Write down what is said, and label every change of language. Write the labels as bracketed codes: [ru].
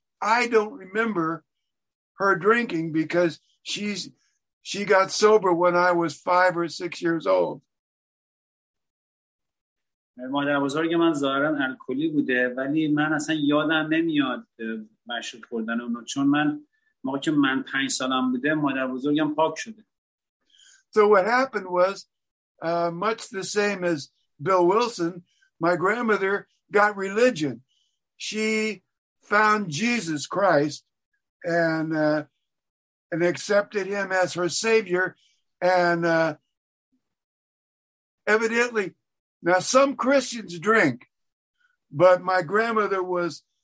[en] I don't remember her drinking because she got sober when I was 5 or 6 years old. [fa] مادر بزرگ من ظاهرا الکلی بوده، ولی من اصلا یادم نمیاد مشروب خوردن اونو، چون من موقعی که من 5 سالم بوده مادر بزرگم پاک شده. [en] So what happened was much the same as Bill Wilson. My grandmother got religion. She found Jesus Christ and accepted him as her savior, and evidently now some Christians drink, but my grandmother was